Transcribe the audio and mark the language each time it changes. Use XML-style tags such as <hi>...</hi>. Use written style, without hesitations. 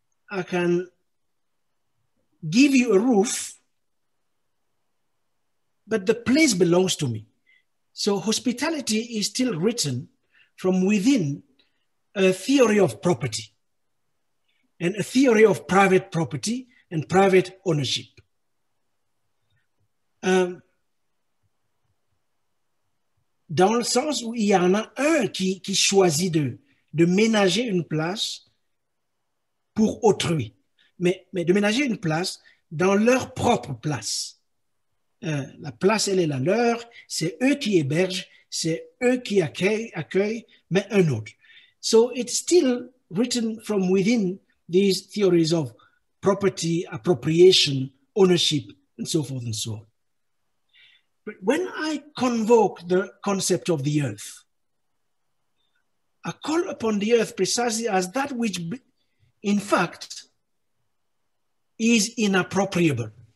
<en>I can give you a roof, but the place belongs to me. So hospitality is still written from within a theory of property and a theory of private property and private ownership.</en> <fr>Dans le sens où il y en a un qui choisit de ménager une place pour autrui, mais de ménager une place dans leur propre place. la place, elle est la leur, c'est eux qui hébergent, c'est eux qui accueillent, mais un autre.</fr> <en>So it's still written from within these theories of property, appropriation, ownership, and so forth and so on. But when I convoke the concept of the earth, I call upon the earth precisely as that which, in fact, is inappropriable.</en>